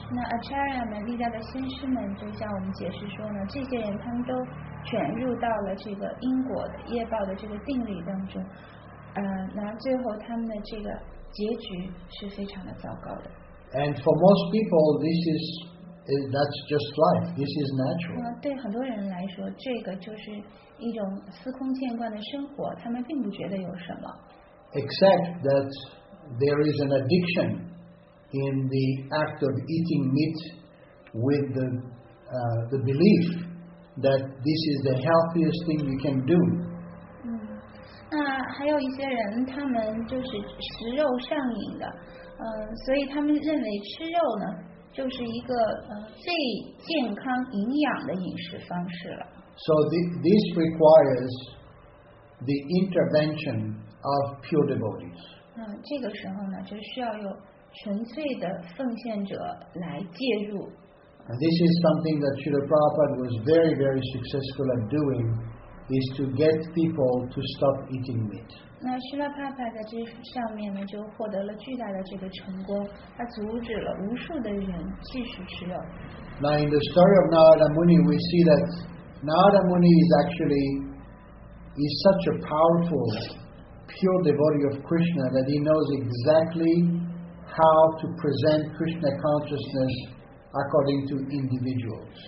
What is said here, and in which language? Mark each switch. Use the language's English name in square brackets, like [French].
[Chinese] 那 Acharya 们历代的先师们就向我们解释说呢，这些人他们都卷入到了这个因果的业报的这个定律当中，那最后他们的这个结局是非常的糟糕的。 [English] And for most people, that's just life. This is natural. [Chinese] 对很多人来说，这个就是一种司空见惯的生活，他们并不觉得有什么。 [English] Except that there is an addiction in the act of eating meat with the belief that this is the healthiest thing you can do. [Chinese] 那还有一些人，他们就是食肉上瘾的，所以他们认为吃肉呢。就是一个最健康营养的饮食方式了。 [English] So this requires the intervention of pure devotees. [Chinese] 这个时候呢，就需要有纯粹的奉献者来介入。 [English] And this is something that Srila Prabhupada was very, very successful at doing, is to get people to stop eating meat. [Chinese] 那希拉帕帕在这上面呢，就获得了巨大的这个成功，他阻止了无数的人继续吃肉。 [English] Now in the story of Narada Muni, we see that Narada Muni is such a powerful, pure devotee of Krishna that he knows exactly how to present Krishna consciousness according to individuals.